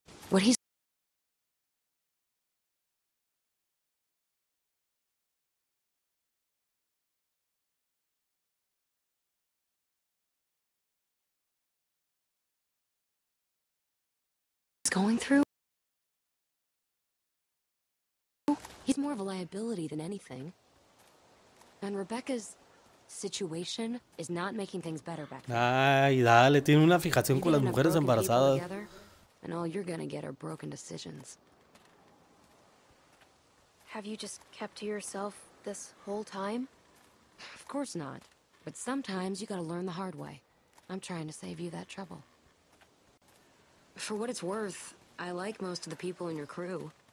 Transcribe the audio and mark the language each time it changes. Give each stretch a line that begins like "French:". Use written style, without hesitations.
English: What he's going through, he's more of a liability than anything. And Rebecca's situation is not making things better back then.
Spanish: Ay, dale, tiene una fijación con las mujeres embarazadas.
English: And all you're gonna get are broken decisions. Have you just kept to yourself this whole time? Of course not. But sometimes you gotta learn the hard way. I'm trying to save you that trouble. For what it's worth, I like most of the people in your crew.